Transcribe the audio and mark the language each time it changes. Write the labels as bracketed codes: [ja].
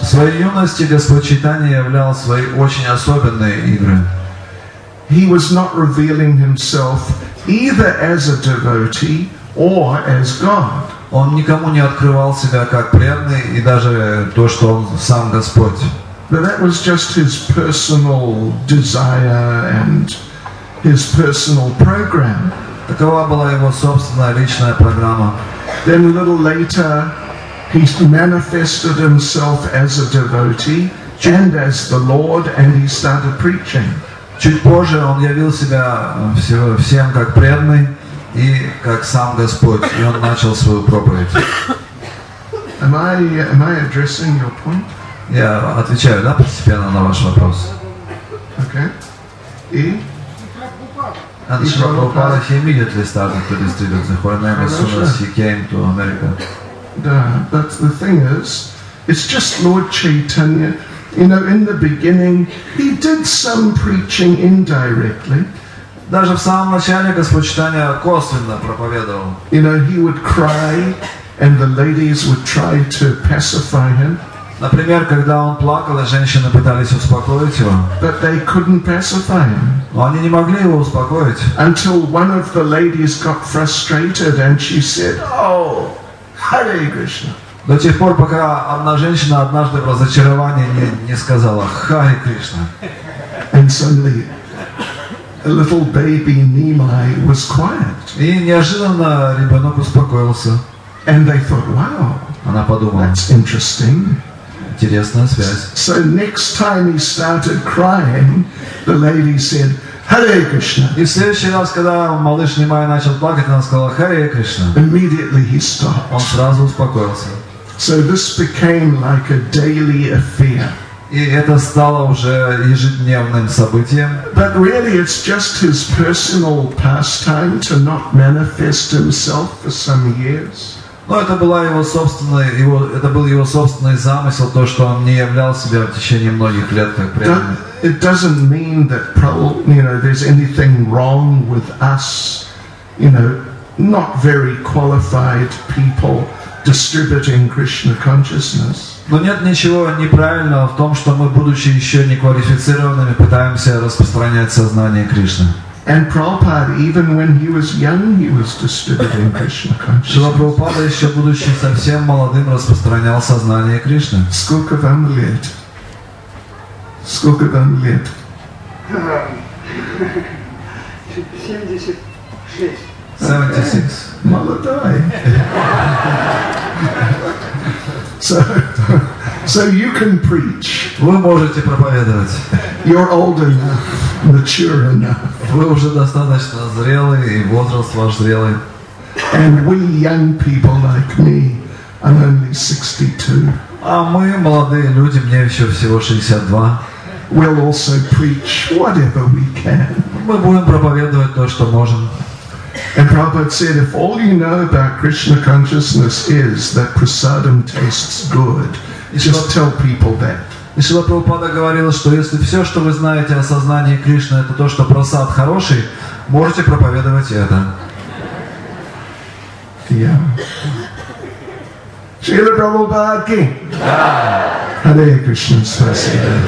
[ru] В своей юности Господь Чайтанья являл свои очень особенные игры. [en] He was not revealing himself either as a devotee or as God. [ru] Он никому не открывал себя как преданный и даже то, что он сам Господь. [en] But that was just his personal desire and his personal program. [ru] Такова была его собственная личная программа. [en] Then a little later, he manifested himself as a devotee and as the Lord, and he started preaching. [ru] Чуть позже он явил себя всем как преданный и как сам Господь, и он начал свою проповедь. [en] Am I addressing your point? [ru] Я отвечаю, да, постепенно на ваш вопрос. Okay. И? [en] And Prabhupada, he immediately started to distribute the holy name as soon as he came to America. Да, but the thing is, it's just Lord Chaitanya. You know, in the beginning, he did some preaching indirectly. [ru] Даже в самом начале Господь Чайтанья косвенно проповедовал. [en] You know, he would cry, and the ladies would try to pacify him. [ru] Например, когда он плакал, и женщины пытались успокоить его. [en] But they couldn't pacify him. [ru] Но они не могли его успокоить. [en] Until one of the ladies got frustrated, and she said, "Oh, Hare Krishna." [ru] До тех пор, пока одна женщина однажды в разочаровании не сказала «Хари Кришна». [en] And suddenly, a little baby Nimai was quiet. [ru] И неожиданно ребенок успокоился. [en] And they thought, wow, [ru] она подумала, [en] that's interesting. [ru] Интересная связь. [en] So next time he started crying, the lady said, Hare Krishna. [ru] И в следующий раз, когда малыш Нимай начал плакать, она сказала Харе Кришна. [en] Immediately he stopped. [ru] Он сразу успокоился. [en] So this became like a daily affair. [ru] И это стало уже ежедневным событием. [en] But really it's just his personal pastime to not manifest himself for some years. [ru] Но это была его собственная, это был его собственный замысел, то, что он не являл себя в течение многих лет как преданный. [en] It doesn't mean that, you know, there's anything wrong with us, you know, not very qualified people distributing Krishna consciousness. [ru] Но нет ничего неправильного в том, что мы, будучи еще неквалифицированными, пытаемся распространять сознание Кришны. [en] And Prabhupada, even when he was young, he was distributing Krishna consciousness. [ru] Prabhupada, еще будучи совсем молодым, распространял сознание Кришны. Сколько вам лет? Сколько вам лет? 76. Молодой. [en] So you can preach. [ru] Вы можете проповедовать. [en] You're old enough, mature enough. [ru] Вы уже достаточно зрелый, и возраст ваш зрелый. [en] And we young people like me, I'm only 62. [ru] А мы молодые люди, мне еще всего 62. [en] We'll also preach whatever we can. [ru] Мы будем проповедовать то, что можем. [en] And Prabhupada said, if all you know about Krishna consciousness is that prasadam tastes good, just tell people that. [ru] И Шрила Прабхупада говорил, что если все, что вы знаете о сознании Кришны, это то, что прасад хороший, можете проповедовать это. [en] Yeah. [ru] Шрила Прабхупада ки. Харе Кришна, спасибо.